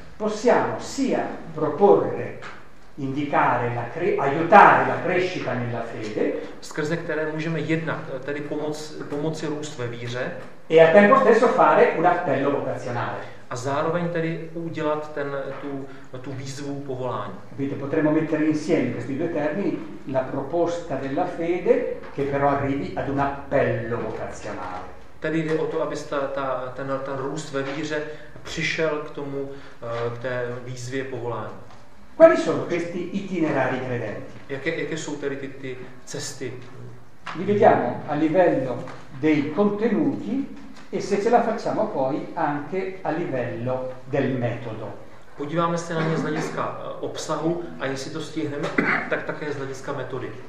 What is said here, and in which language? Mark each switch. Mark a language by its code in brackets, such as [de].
[it] Possiamo sia proporre indicare la aiutare la crescita nella fede. [cs] Skrze které můžeme jednat, tedy pomoci růst ve víře. [it] E al tempo stesso fare un appello vocazionale. [cs] A zároveň tedy udělat tu výzvu povolání. Vidíte, [it] potremmo mettere insieme questi due termini, la proposta della fede che però arrivi ad un appello vocazionale. [cs] Tedy jde o to, aby ten růst ve víře přišel k tomu, k té výzvě povolání. [it] Quali sono questi itinerari credenti? [cs] Jaké jsou tedy ty cesty? [it] Li vediamo a livello dei contenuti e se ce la facciamo poi anche a livello del metodo. [cs] Podíváme se na ně z hlediska obsahu a jestli to stihneme, tak také z hlediska metody.